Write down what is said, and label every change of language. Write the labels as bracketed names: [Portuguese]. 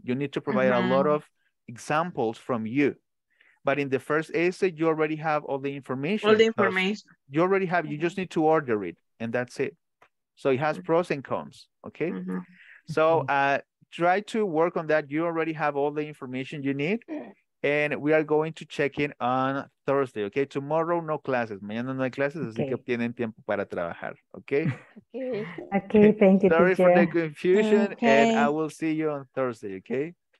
[English] You need to provide a lot of examples from you. But in the first essay, you already have all the information. All the information. You already have, you just need to order it, and that's it. So it has pros and cons, okay? So try to work on that. You already have all the information you need, and we are going to check in on Thursday, okay? Tomorrow, no classes. [Spanish] Mañana no hay clases, así que obtienen tiempo para trabajar, okay? [English] Okay, thank you, sorry teacher. For the confusion, okay. And I will see you on Thursday, okay?